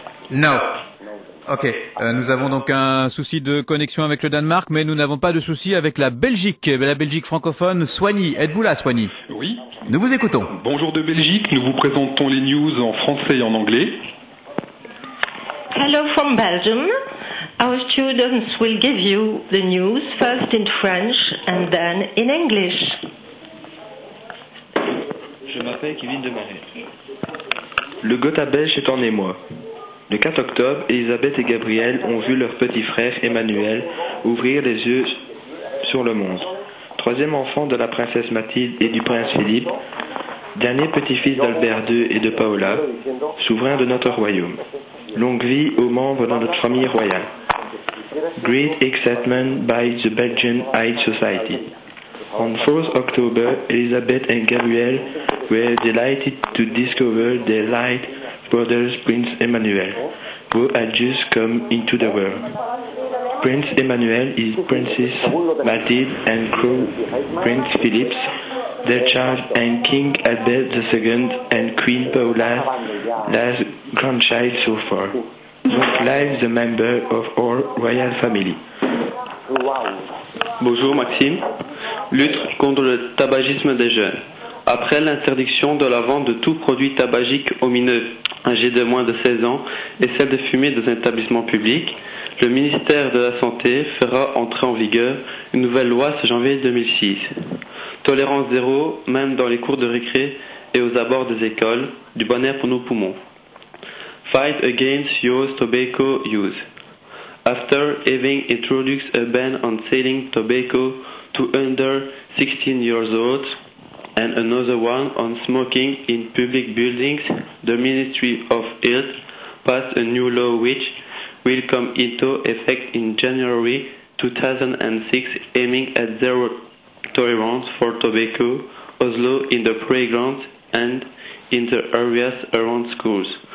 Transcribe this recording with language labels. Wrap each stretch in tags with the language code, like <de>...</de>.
<en>No. Ok.</en> <fr>Nous avons donc un souci de connexion avec le Danemark, mais nous n'avons pas de souci avec la Belgique. La Belgique francophone, Soigny. Êtes-vous là, Soigny? Oui. Nous vous écoutons. Bonjour de Belgique. Nous vous présentons les news en français et en anglais.</fr> <en>Hello from Belgium. Our students will give you the news first in French and then in English.</en> <fr>Je m'appelle Kevin Demaré. Le Gotha belge est en émoi. Le 4 octobre, Elisabeth et Gabriel ont vu leur petit frère Emmanuel ouvrir les yeux sur le monde. Troisième enfant de la princesse Mathilde et du prince Philippe, dernier petit-fils d'Albert II et de Paola, souverain de notre royaume. Longue vie aux membres de notre famille royale.</fr> <en>Great excitement by the Belgian High Society. On 4th October, Elisabeth and Gabriel were delighted to discover their light brothers Prince Emmanuel, who had just come into the world. Prince Emmanuel is Princess Mathilde and Crown Prince Philip, their child and King Albert II and Queen Paola's last grandchild so far. Donc, live the member of our royal family.</en> <fr>Bonjour Maxime. Lutte contre le tabagisme des jeunes. Après l'interdiction de la vente de tout produit tabagique aux mineurs âgés de moins de 16 ans et celle de fumer dans un établissement public, le ministère de la Santé fera entrer en vigueur une nouvelle loi ce janvier 2006. Tolérance zéro, même dans les cours de récré et aux abords des écoles, du bon air pour nos poumons.</fr> <en>Fight against your tobacco use. After having introduced a ban on selling tobacco to under 16 years old and another one on smoking in public buildings, the Ministry of Health passed a new law which will come into effect in January 2006, aiming at zero tolerance for tobacco, also in the playgrounds and in the areas around schools.</en>